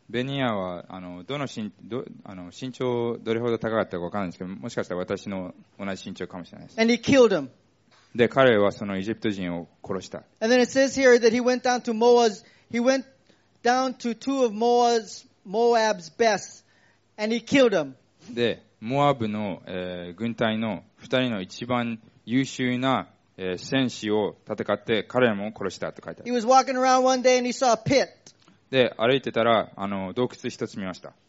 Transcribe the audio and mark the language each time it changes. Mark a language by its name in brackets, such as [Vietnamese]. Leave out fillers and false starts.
[Japanese] ベニヤは、身長どれほど高かったかわからないんですけど、もしかしたら私の同じ身長かもしれないです。 [English] And he killed him. [Japanese] で、彼はそのエジプト人を殺した。 [English] And then it says here that he went down to Moab'sHe went down to two of Moab's best, and he killed them. [Japanese] で、モアブの、軍隊の二人の一番優秀な、戦士を戦って彼らも殺したと書いてある。 [English] He was walking around one day and he saw a pit. [Japanese] で、歩いてたら洞窟一つ見ました。